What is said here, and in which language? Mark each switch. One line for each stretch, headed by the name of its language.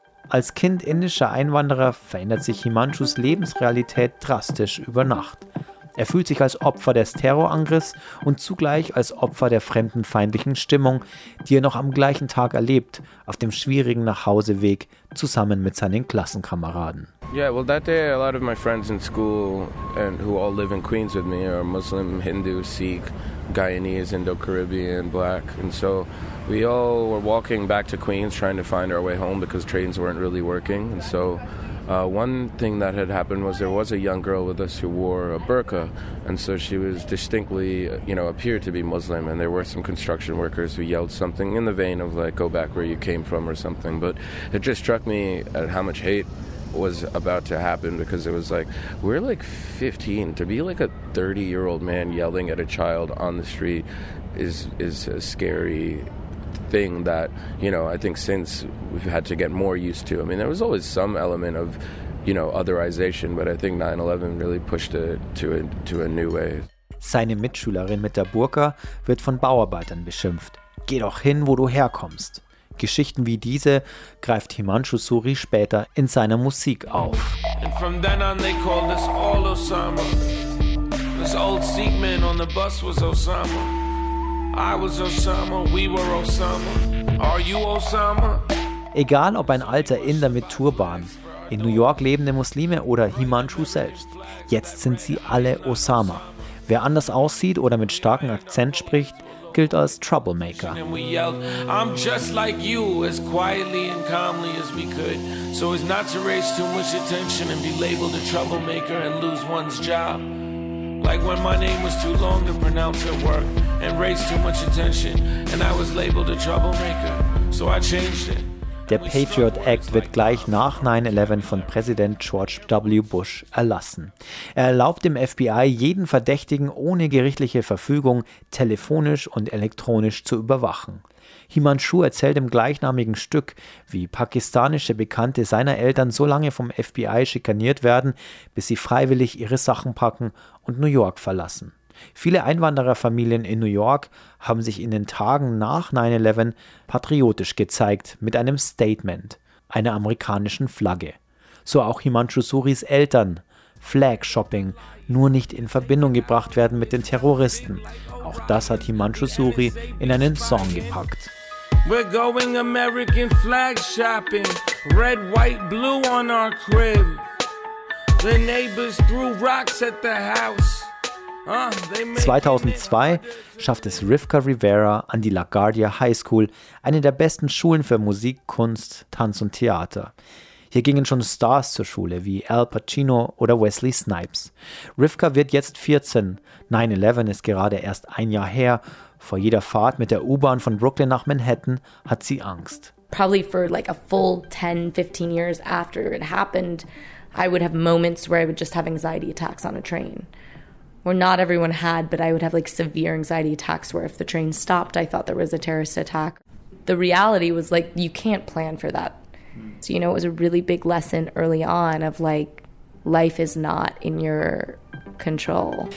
German: Als Kind indischer Einwanderer verändert sich Himanshus Lebensrealität drastisch über Nacht. Er fühlt sich als Opfer des Terrorangriffs und zugleich als Opfer der fremdenfeindlichen Stimmung, die er noch am gleichen Tag erlebt, auf dem schwierigen Nachhauseweg zusammen mit seinen Klassenkameraden.
English: Yeah, well, that day a lot of my friends in school and who all live in Queens with me are Muslim, Hindu, Sikh, Guyanese, Indo-Caribbean, Black, and so we all were walking back to Queens trying to find our way home because trains weren't really working, and so. One thing that had happened was there was a young girl with us who wore a burqa, and so she was distinctly, you know, appeared to be Muslim, and there were some construction workers who yelled something in the vein of, like, go back where you came from or something, but it just struck me at how much hate was about to happen, because it was like, we're like 15, to be like a 30-year-old man yelling at a child on the street is a scary thing that, you know, I think since we've had to get more used to. I mean, there was always some element of, you know, otherization, but I think 9/11 really pushed it to a new way.
German: Seine Mitschülerin mit der Burka wird von Bauarbeitern beschimpft. Geh doch hin, wo du herkommst. Geschichten wie diese greift Himanshu Suri später in seiner Musik auf.
English: And from then on they called us all Osama. This old Sikh man on the bus was Osama. I was Osama, we were Osama. Are you Osama?
German: Egal ob ein alter Inder mit Turban, in New York lebende Muslime oder Himanshu selbst, jetzt sind sie alle Osama. Wer anders aussieht oder mit starkem Akzent spricht, gilt als Troublemaker.
English: And we yelled, I'm just like you, as quietly and calmly as we could, so as not to raise too much attention and be labeled a troublemaker and lose one's job. Like when my name was too long to pronounce at work and raised too much attention, and I was labeled a troublemaker, so I changed it.
German: Der Patriot Act wird gleich nach 9/11 von Präsident George W. Bush erlassen. Er erlaubt dem FBI, jeden Verdächtigen ohne gerichtliche Verfügung telefonisch und elektronisch zu überwachen. Himanshu erzählt im gleichnamigen Stück, wie pakistanische Bekannte seiner Eltern so lange vom FBI schikaniert werden, bis sie freiwillig ihre Sachen packen und New York verlassen. Viele Einwandererfamilien in New York haben sich in den Tagen nach 9/11 patriotisch gezeigt mit einem Statement, einer amerikanischen Flagge. So auch Himanshu Suris Eltern. Flag Shopping, nur nicht in Verbindung gebracht werden mit den Terroristen. Auch das hat Himanshu Suri in einen Song gepackt.
English: We're going American flag shopping, red, white, blue on our crib. The neighbors threw rocks at the house.
German: 2002 schafft es Rivka Rivera an die LaGuardia High School, eine der besten Schulen für Musik, Kunst, Tanz und Theater. Hier gingen schon Stars zur Schule, wie Al Pacino oder Wesley Snipes. Rivka wird jetzt 14. 9/11 ist gerade erst ein Jahr her. Vor jeder Fahrt mit der U-Bahn von Brooklyn nach Manhattan hat sie Angst.
English: Probably for like a full 10, 15 years after it happened, I would have moments where I would just have anxiety attacks on a train. Well, not everyone had, but I would have like severe anxiety attacks where if the train stopped, I thought there was a terrorist attack. The reality was like, you can't plan for that. So, you know, it was a really big lesson early on of like, life is not in your control.